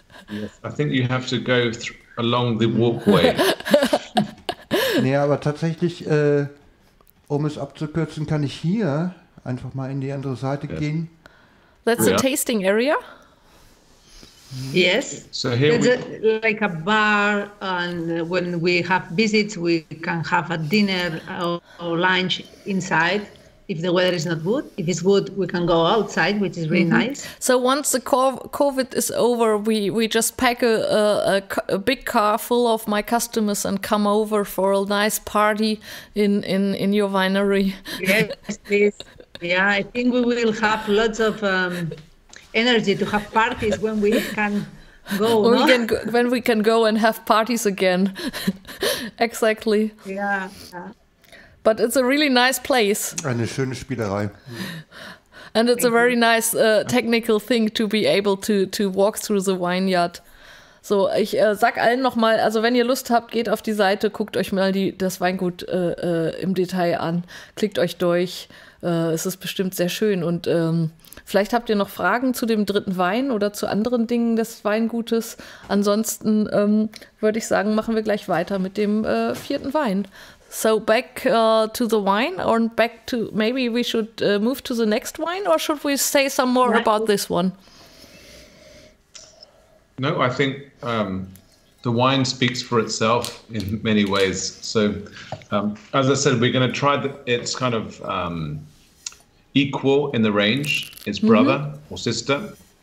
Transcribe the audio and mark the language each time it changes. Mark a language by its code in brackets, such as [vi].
[en] Yes, I think you have to go along the walkway. [de] Nee, aber tatsächlich, um es abzukürzen, kann ich hier einfach mal in die andere Seite gehen. [en] That's the tasting area. Yes. So here it's like a bar, and when we have visits, we can have a dinner or lunch inside. If the weather is not good, if it's good, we can go outside, which is really mm-hmm. nice. So once the COVID is over, we just pack a big car full of my customers and come over for a nice party in your winery. Yes, please. Yeah, I think we will have lots of energy to have parties when we can go. When we can go and have parties again. Exactly. Yeah. But it's a really nice place. [de] Eine schöne Spielerei. [en] And it's a very nice technical thing to be able to walk through the vineyard. [de] So, ich sag allen nochmal, also wenn ihr Lust habt, geht auf die Seite, guckt euch mal das Weingut im Detail an, klickt euch durch. Es ist bestimmt sehr schön. Und vielleicht habt ihr noch Fragen zu dem dritten Wein oder zu anderen Dingen des Weingutes. Ansonsten würde ich sagen, machen wir gleich weiter mit dem vierten Wein. [en] So back to the wine or back to, maybe we should move to the next wine or should we say some more about this one? No, I think the wine speaks for itself in many ways. So as I said, we're going to try it's kind of equal in the range, its brother or sister.